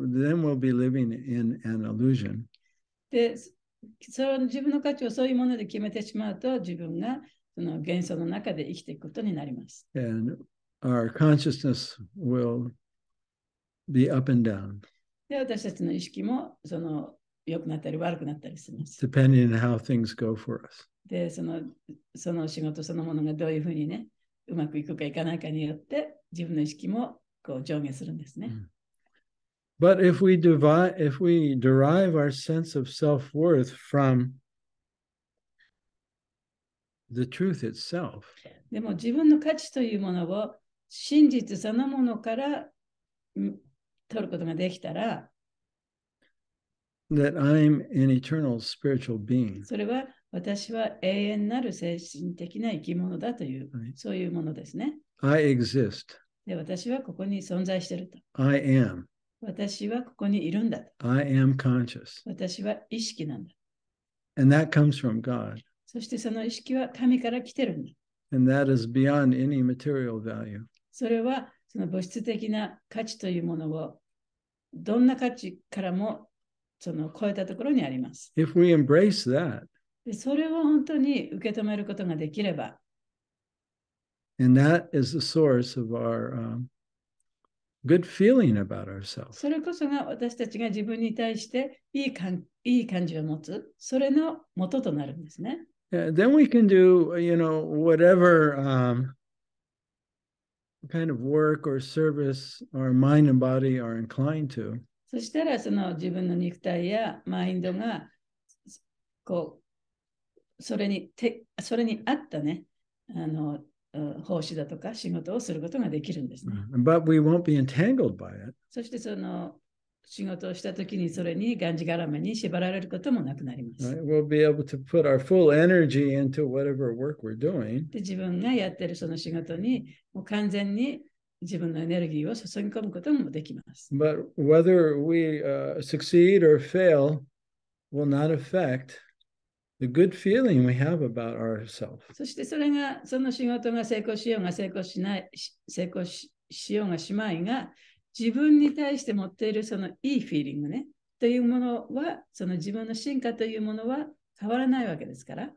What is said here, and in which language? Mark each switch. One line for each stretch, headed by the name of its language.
Japanese: で、その自分の価値をそういうもので決めてしまうと、自分がその幻想の中で生きていくことになります。
English: And our consciousness will be up and down.
Japanese: で、私たちの意識もその良くなったり悪くなったりします。
English: Depending on how things go for us.
Japanese: で、その仕事そのものがどういうふうにね。うまくいくかいかないかによって自分の意識もこう上下するんですね。
English: But if we derive our sense of self-worth from the truth itself,
Japanese: でも自分の価値というものを真実そのものから取ることができたら、
English: that I'm an eternal spiritual being.
Japanese: それは私は永遠なる精神的な生き物だという、
English: right.
Japanese: そういうものですね。
English: I exist.
Japanese: で、私はここに存在していると。
English: I am.
Japanese: 私はここにいるんだ。
English: I am conscious.
Japanese: 私は意識なんだ。
English: And that comes from God.
Japanese: そしてその意識は神から来てるんだ。
English: And that is beyond any material value.
Japanese: それはその物質的な価値というものをどんな価値からもその超えたところにあります。
English: If we embrace that,
Japanese: でそれを本当に受け止めることができれば。
English: And that is the source of our, good feeling about ourselves.
Japanese: それこそが私たちが自分に対していい感、いい感じを持つ、それの元となるんですね。
English: Yeah, then we can do, you know, whatever, kind of work or service our mind and body are inclined to.
Japanese: そしたらその自分の肉体やマインドがこう、それに合ったね、あの奉仕だとか仕事をすることができるんですね。
English: But we won't be entangled by it.
Japanese: そしてその仕事をしたときにそれにがんじがらめに縛られることもなくなります。
English: Right. We'll be able to put our full energy into whatever work we're doing.
Japanese: で、自分がやってるその仕事にもう完全に自分のエネルギーを注ぎ込むこともできます。
English: But whether we succeed or fail will not affect the good feeling we have about ourselves.
Japanese: そしてそれがその仕事が成功しようが成功しない、成功しようがしまいが自分に対して持っているそのいいフィーリングねというものはその自分の進化というものは変わらないわけですから。